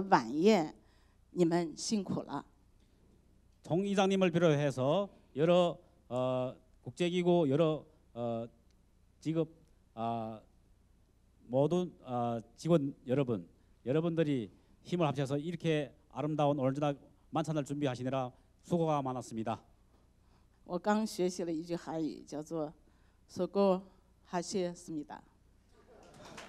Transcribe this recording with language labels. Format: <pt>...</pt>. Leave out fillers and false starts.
<zh>看到现场，总议长带领大家这么辛苦的为我们来自各国的嘉宾准备好了这么好的晚宴，你们辛苦了。</zh> <ko>총의장님을 비롯해서 여러 국제기구 여러 직업 모든 직원 여러분, 여러분들이 힘을 합쳐서 이렇게 아름다운 오늘날 만찬을 준비하시느라 수고가 많았습니다.</ko> <zh>我刚学习了一句韩语，叫做</zh> <ko>“수고하셨습니다”。</ko>